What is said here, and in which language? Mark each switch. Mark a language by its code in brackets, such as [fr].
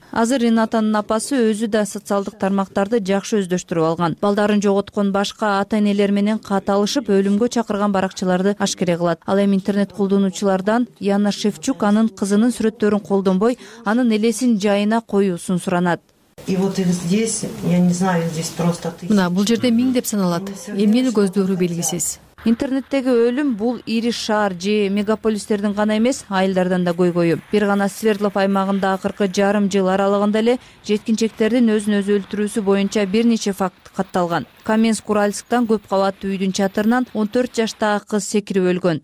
[ky] Азыр Ринатанын апасы өзү да социалдык тармактарды жакшы өздөштүрүп алган. Балдарын жоготкон башка ата-энелер менен кат алышып өлүмгө чакырган баракчыларды ашкере кылат. Ал эми интернет колдонуучулардан Яна Шевчук анын кызынын сүрөттөрүн колдонбой, анын элесин жайына коюусун суранат. [ru] И вот их здесь, я не знаю, здесь просто тысячи. [ky] Мына бул жерде миң деп саналат. Эмнени көздөрү белгисиз. Интернеттеги өлүм бул ири шаар же мегаполистердин гана эмес, айылдардан да көйгөйү. Бир гана Свердлов аймагында акыркы жарым жыл аралыгында эле жеткинчектердин өзүн өзү өлтүрүүсү боюнча бир нече факт катталган. Каменск Уральскдан көп кабаттуу үйдүн чатырынан 14 жаштагы кыз секирип өлгөн.